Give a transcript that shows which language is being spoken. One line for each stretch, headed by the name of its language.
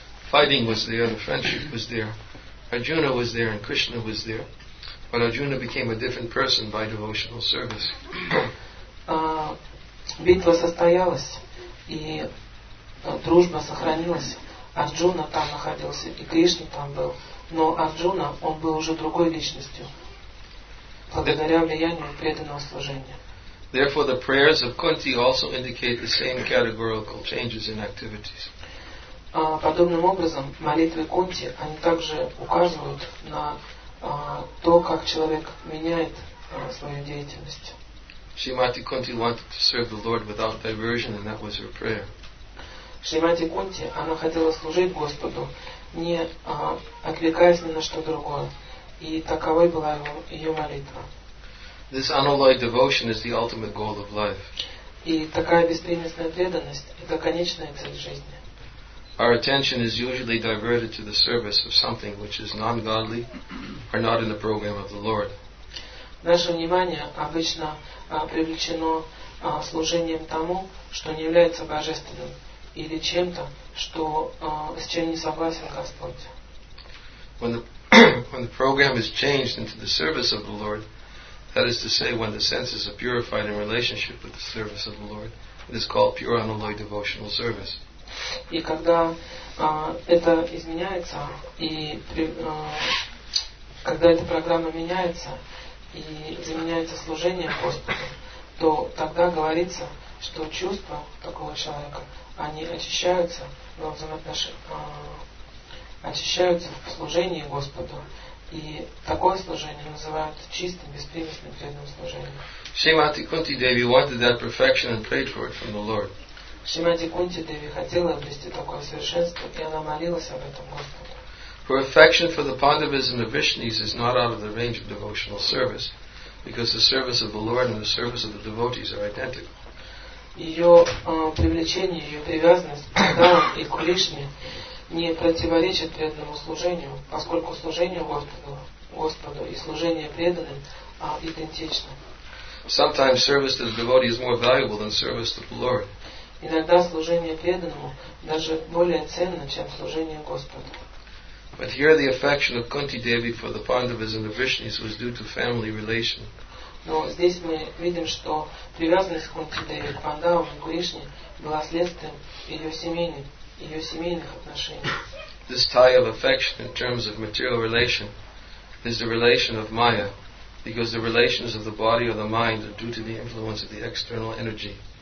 English: Fighting was there, the friendship was there, Arjuna was there, and Krishna was there. But Arjuna became a different person by devotional service.
Russian: Битва состоялась, и дружба сохранилась. Арджуна там находился, и Кришна там был. Но Арджуна, он был уже другой личностью, благодаря влиянию преданного служения.
English: Therefore, the prayers of Kunti also indicate the same categorical changes in activities.
Russian: Подобным образом, молитвы Кунти, они также указывают на то, как человек меняет свою деятельность.
English: Шримати Кунти wanted to serve the Lord without diversion, and that was her prayer.
Russian: Шримати Кунти, она хотела служить Господу, не отвлекаясь ни на что другое. И таковой была ее молитва.
English: This unalloyed devotion is the ultimate goal of life.
Russian: И такая беспристрастная преданность — это конечная цель жизни.
English: Our attention is usually diverted to the service of something which is non-godly or not in the program of the Lord.
Russian: Наше внимание обычно привлечено служением тому, что не является божественным, или чем-то, что с чем не согласен Господь.
English: When the program is changed into the service of the Lord, that is to say, when the senses are purified in relationship with the service of the Lord, it is called pure unalloyed devotional service.
Russian: И когда это изменяется, и когда эта программа меняется и заменяется служением Господу, то тогда говорится, что чувства такого человека, они очищаются во взаимоотношениях, очищаются в служении Господу. И такое служение называют чистым, беспримесным, преданным служением.
English: Шримати Кунти Деви wanted that perfection and prayed for it from the Lord.
Russian: Шримати Кунти Деви хотела обрести такое совершенство, и она молилась об этом Господу.
English: For affection for the Pandavas and the Vishnis is not out of the range of devotional service, because the service of the Lord and the service of the devotees are identical.
Russian: Ее привлечение, ее привязанность к Дхарме и к Кришне не противоречит преданному служению, поскольку служение Господу и служение преданным идентично.
English: Sometimes service to the devotee is more valuable than service to the Lord.
Russian: Иногда служение преданному даже более ценно, чем служение Господу.
English: But here the affection of Kunti Devi for the Pandavas and the Vishnis was due to family relation.
Russian: Но здесь мы видим, что привязанность Кунти Деви к Пандавам и Куришне была следствием ее семейных отношений.
English: This tie of affection in terms of material relation is the relation of Maya, because the relations of the body or the mind are due to the influence of the external energy.